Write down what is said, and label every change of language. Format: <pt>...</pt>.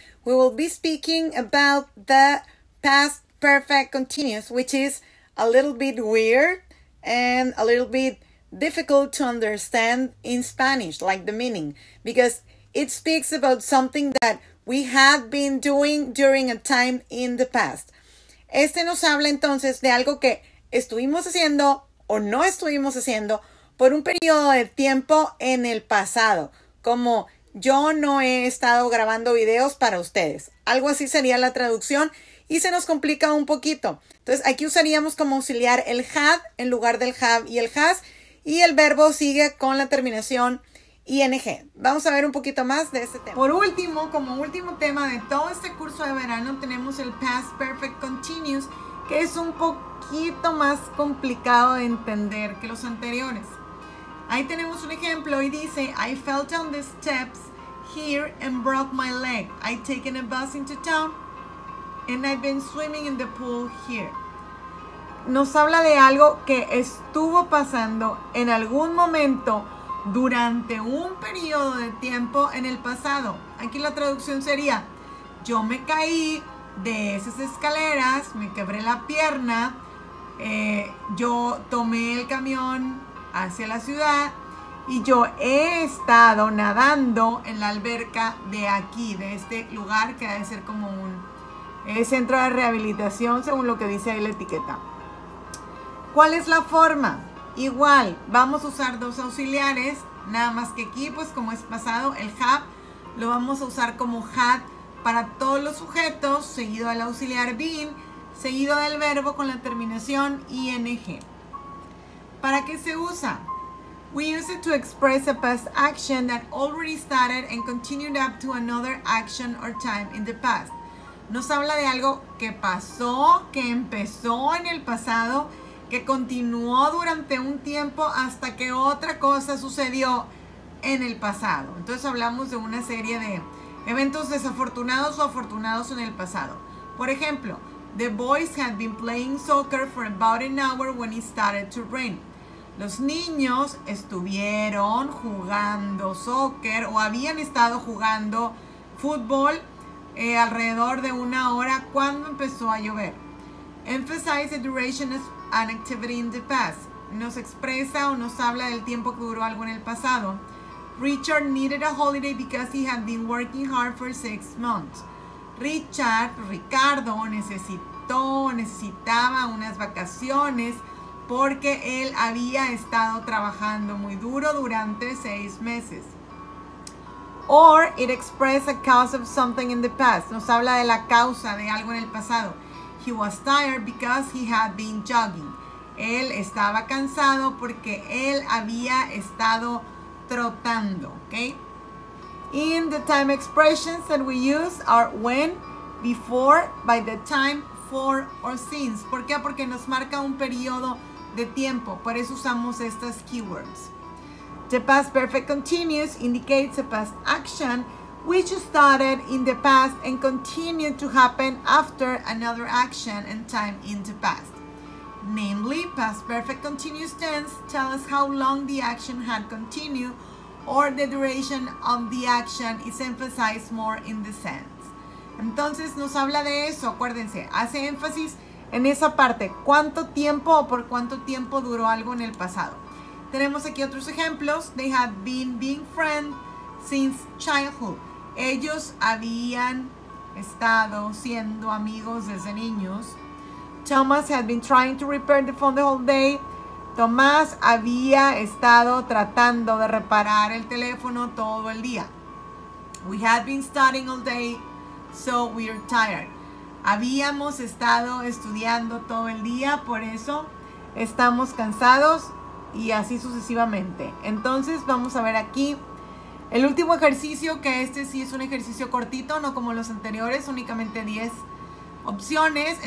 <en>We will be speaking about the past perfect continuous, which is a little bit weird and a little bit difficult to understand in Spanish, like the meaning, because it speaks about something that we have been doing during a time in the past.</en> <es>Este nos habla entonces de algo que estuvimos haciendo o no estuvimos haciendo por un periodo de tiempo en el pasado, como yo no he estado grabando videos para ustedes. Algo así sería la traducción y se nos complica un poquito. Entonces aquí usaríamos como auxiliar el have en lugar del have y el has, y el verbo sigue con la terminación ing. Vamos a ver un poquito más de este tema. Por último, como último tema de todo este curso de verano, tenemos el past perfect continuous, que es un poquito más complicado de entender que los anteriores. Ahí tenemos un ejemplo y dice,</es> <en>I fell down the steps here and broke my leg. I've taken a bus into town and I've been swimming in the pool here.</en> <es>Nos habla de algo que estuvo pasando en algún momento durante un periodo de tiempo en el pasado. Aquí la traducción sería, yo me caí de esas escaleras, me quebré la pierna, yo tomé el camión hacia la ciudad y yo he estado nadando en la alberca de aquí, de este lugar que ha de ser como un centro de rehabilitación, según lo que dice ahí la etiqueta. ¿Cuál es la forma? Igual, vamos a usar dos auxiliares, nada más que aquí, pues como es pasado, el have lo vamos a usar como had para todos los sujetos, seguido del auxiliar been, seguido del verbo con la terminación ing. ¿Para qué se usa?</es> <en>We use it to express a past action that already started and continued up to another action or time in the past.</en> <es>Nos habla de algo que pasó, que empezó en el pasado, que continuó durante un tiempo hasta que otra cosa sucedió en el pasado. Entonces hablamos de una serie de eventos desafortunados o afortunados en el pasado. Por ejemplo,</es> <en>the boys had been playing soccer for about an hour when it started to rain.</en> <es>Los niños estuvieron jugando soccer o habían estado jugando fútbol alrededor de una hora cuando empezó a llover.</es> <en>Emphasize the duration as an activity in the past.</en> <es>Nos expresa o nos habla del tiempo que duró algo en el pasado.</es> <en>Richard needed a holiday because he had been working hard for 6 months.</en> <es>Ricardo necesitaba unas vacaciones porque él había estado trabajando muy duro durante 6 meses.</es> <en>Or it expressed a cause of something in the past.</en> <es>Nos habla de la causa de algo en el pasado.</es> <en>He was tired because he had been jogging.</en> <es>Él estaba cansado porque él había estado trotando, ¿okay?</es> <en>In the time expressions that we use are when, before, by the time, for, or since.</en> <es>¿Por qué? Porque nos marca un periodo de tiempo. Por eso usamos estas keywords.</es> <en>The past perfect continuous indicates a past action which started in the past and continued to happen after another action and time in the past. Namely, past perfect continuous tense tell us how long the action had continued or the duration of the action is emphasized more in the sense.</en> <es>Entonces nos habla de eso, acuérdense, hace énfasis en esa parte, cuánto tiempo o por cuánto tiempo duró algo en el pasado. Tenemos aquí otros ejemplos.</es> <en>They have been being friends since childhood.</en> <es>Ellos habían estado siendo amigos desde niños.</es> <en>Thomas had been trying to repair the phone the whole day.</en> <es>Tomás había estado tratando de reparar el teléfono todo el día.</es> <en>We had been studying all day, so we are tired.</en> <es>Habíamos estado estudiando todo el día, por eso estamos cansados, y así sucesivamente. Entonces vamos a ver aquí el último ejercicio, que este sí es un ejercicio cortito, no como los anteriores, únicamente 10 opciones.</es>